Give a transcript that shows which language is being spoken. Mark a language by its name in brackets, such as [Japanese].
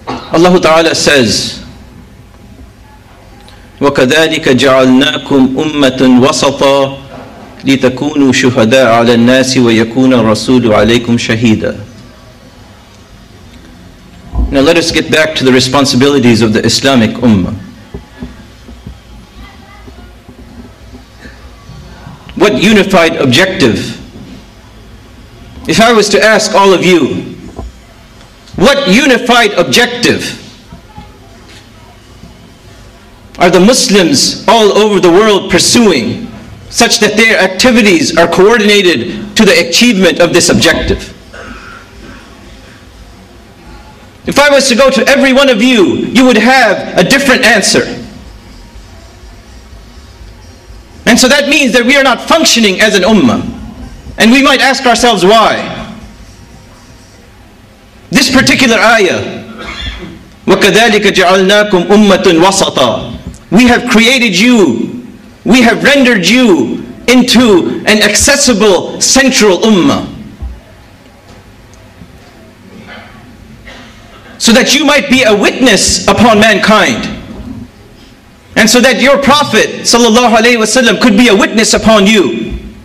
[English] Allah Ta'ala says, [Arabic] وَكَذَلِكَ جَعَلْنَاكُمْ أُمَّةٌ وَسَطًا لِتَكُونُوا شُهَدَاءَ عَلَى النَّاسِ وَيَكُونَ الرَّسُولُ عَلَيْكُمْ شَهِيدًا. [English] Now let us get back to the responsibilities of the Islamic Ummah. What unified objective? If I was to ask all of you, what unified objective are the Muslims all over the world pursuing such that their activities are coordinated to the achievement of this objective? If I was to go to every one of you, you would have a different answer. And so that means that we are not functioning as an ummah. And we might ask ourselves why. This particular ayah, [Arabic] وَكَذَلِكَ جَعَلْنَاكُمْ أُمَّةٌ وَسَطًا. [English] We have created you, we have rendered you into an accessible central ummah, so that you might be a witness upon mankind, and so that your Prophet sallallahu alaihi wasallam could be a witness upon you.